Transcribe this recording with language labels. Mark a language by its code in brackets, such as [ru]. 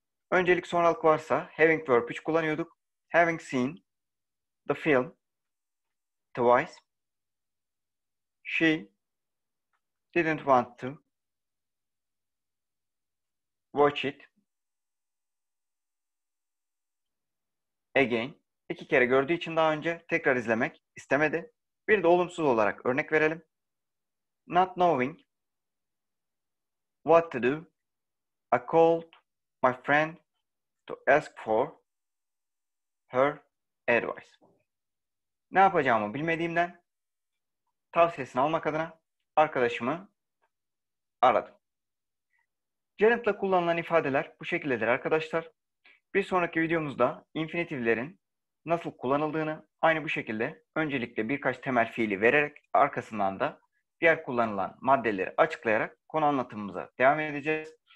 [tr] Öncelik sonralık varsa having verb 3 kullanıyorduk. [en] Having seen the film twice, she didn't want to watch it again. [tr] İki kere gördüğü için daha önce tekrar izlemek istemedi. Bir de olumsuz olarak örnek verelim. [en] Not knowing what to do, I called my friend to ask for her advice. [tr] Ne yapacağımı bilmediğimden tavsiyesini almak adına arkadaşımı aradım. Gerund'la kullanılan ifadeler bu şekildedir arkadaşlar. Bir sonraki videomuzda infinitivlerin nasıl kullanıldığını aynı bu şekilde öncelikle birkaç temel fiili vererek arkasından da diğer kullanılan maddeleri açıklayarak konu anlatımımıza devam edeceğiz.